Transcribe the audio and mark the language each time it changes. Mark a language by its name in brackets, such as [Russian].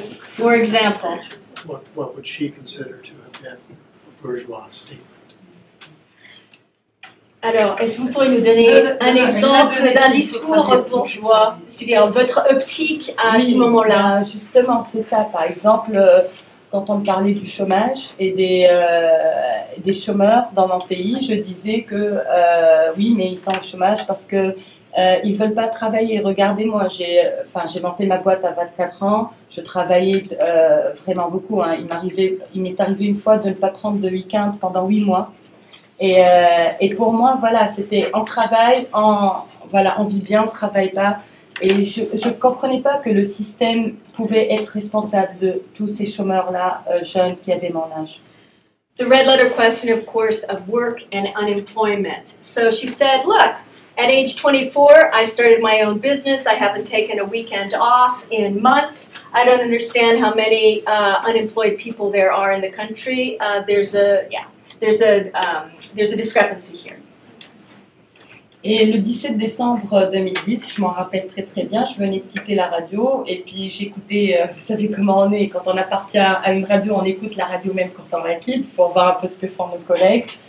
[English] For example, what would she consider to have been a bourgeois statement? [French] Alors, est-ce que vous pourriez nous donner un exemple d'un discours bourgeois, c'est-à-dire votre optique à ce moment-là? Justement, c'est ça. Par exemple, quand on parlait du chômage et des chômeurs dans mon pays, je disais que oui, mais ils sont au chômage parce que ils ne veulent pas travailler. Regardez-moi, j'ai monté ma boîte à 24 ans. Je travaillais vraiment beaucoup. Hein. Il m'est arrivé une fois de ne pas prendre de week-end pendant 8 mois. Et pour moi, voilà, c'était on travaille, on vit bien, on ne travaille pas. Et je ne comprenais pas que le système pouvait être responsable de tous ces chômeurs-là, jeunes, qui avaient mon âge. [English] The red letter question, of course, of work and unemployment. So she said, look, at age 24, I started my own business. I haven't taken a weekend off in months. I don't understand how many unemployed people there are in the country. There's a discrepancy here. [French] Et le 17 décembre 2010, je m'en rappelle très très bien, je venais de quitter la radio et puis j'écoutais, vous savez comment on est, quand on appartient à une radio, on écoute la radio même quand on la quitte pour voir un peu ce que font nos collègues.